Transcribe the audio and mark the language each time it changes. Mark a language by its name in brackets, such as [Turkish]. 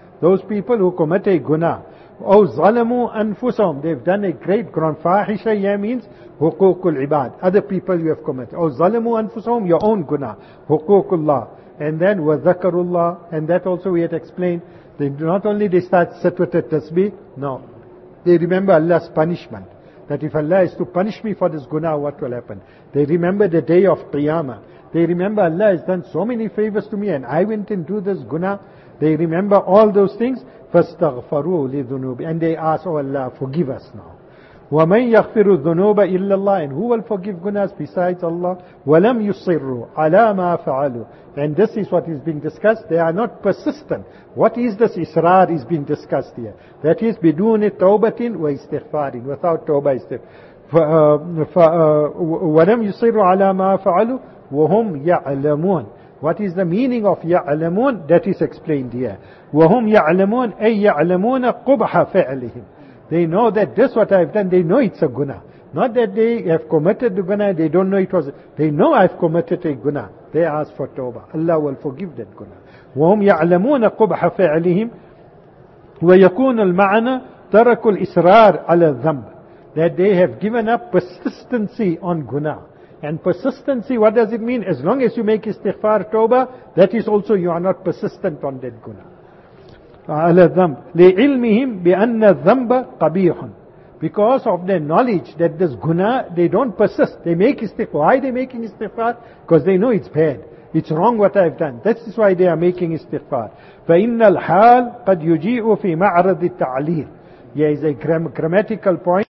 [English] Those people who commit a guna. [Arabic] أَوْ ظَلَمُوا أَنفُسَهُمْ. [English] They've done a great guna. [Arabic] فَاحِشَةً [English] here means [Arabic] حُقُوقُ الْعِبَادِ. [English] Other people you have committed. [Arabic] أَوْ ظَلَمُوا أَنفُسَهُمْ. [English] Your own guna. [Arabic] حُقُوقُ اللَّهِ. [English] And then [Arabic] وَذَكَرُوا اللَّهِ. [English] And that also we had explained. They not only they start sit with a tasbih, no. They remember Allah's punishment. That if Allah is to punish me for this guna, what will happen? They remember the day of Qiyamah. They remember Allah has done so many favors to me and I went and do this guna. They remember all those things. [Arabic] فَاسْتَغْفَرُوا لِذُنُوبِ. [English] And they ask, oh Allah, forgive us now. [Arabic] وَمَنْ يَغْفِرُ الذُّنُوبَ إِلَّا اللَّهِ. [English] And who will forgive gunas besides Allah? [Arabic] وَلَمْ يُصِرُّوا عَلَى مَا فَعَلُوا. [English] And this is what is being discussed. They are not persistent. What is this israr is being discussed here? That is, [Arabic] بِدُونِ تَوْبَةٍ وَإِسْتِغْفَارٍ. [English] Without tawbah, istighfar. [Arabic] وَلَمْ يُصِرُّوا عَلَى مَا فَعَلُوا وَهُمْ يَعْلَمُونَ. [English] What is the meaning of يَعْلَمُونَ? That is explained here. [Arabic] وَهُمْ يَعْلَمُونَ أَيْ يَعْلَمُونَ قُبْحَ فَعْلِهِمْ. [English] They know that this what I've done, they know it's a guna. Not that they have committed the guna, they don't know it was. They know I've committed a guna. They ask for tawbah. Allah will forgive that guna. [Arabic] وَهُمْ يَعْلَمُونَ قُبْحَ فَعْلِهِمْ وَيَكُونُ الْمَعْنَى تَرَكُ الْإِسْرَارِ عَلَى الذَّنْبِ. [English] That they have given up persistency on guna. And persistency, what does it mean? As long as you make istighfar tawbah, that is also you are not persistent on that guna. [Arabic] على الذنب لعلمهم بأن الذنب قبيح. [English] Because of their knowledge that this guna, they don't persist. They make istighfar. Why are they making istighfar? Because they know it's bad. It's wrong what I've done. That's why they are making istighfar. [Arabic] فَإِنَّ الْحَالِ قَدْ يُجِيءُ فِي مَعْرَضِ التَّعْلِيرِ. [English] Here is a grammatical point.